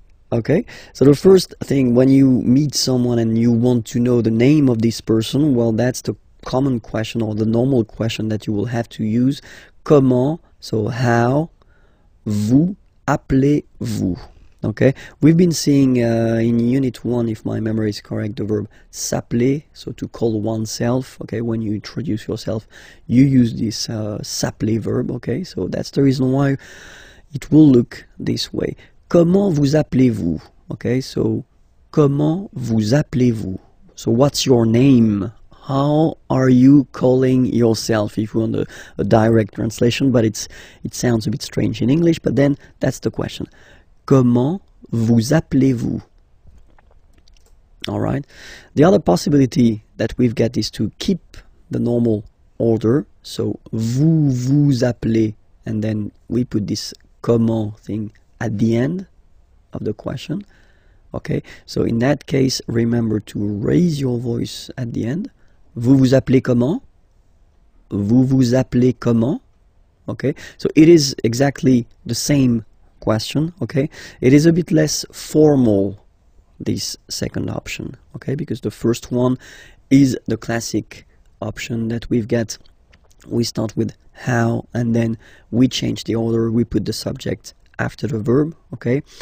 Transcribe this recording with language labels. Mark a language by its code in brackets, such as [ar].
[en] Okay, so the first thing, when you meet someone and you want to know the name of this person, well, that's the common question or the normal question that you will have to use. [fr] Comment, [en] so how, [fr] vous, appelez-vous. [en] Okay, we've been seeing in unit 1, if my memory is correct, the verb s'appeler, so to call oneself. Okay, when you introduce yourself, you use this s'appeler verb. Okay, so that's the reason why it will look this way. [fr] Comment vous appelez-vous? Okay, so comment vous appelez-vous? [en] So what's your name? How are you calling yourself? If you want a direct translation, but it sounds a bit strange in English, but then that's the question. [fr] Comment vous appelez-vous? [en] All right. The other possibility that we've got is to keep the normal order. So [fr] vous vous appelez, [en] and then we put this comment thing at the end of the question. Okay. So in that case, remember to raise your voice at the end. [fr] Vous vous appelez comment? Vous vous appelez comment? [en] Okay. So it is exactly the same question, okay? It is a bit less formal, this second option, okay? Because the first one is the classic option that we've got. We start with how, and then we change the order, we put the subject after the verb, okay?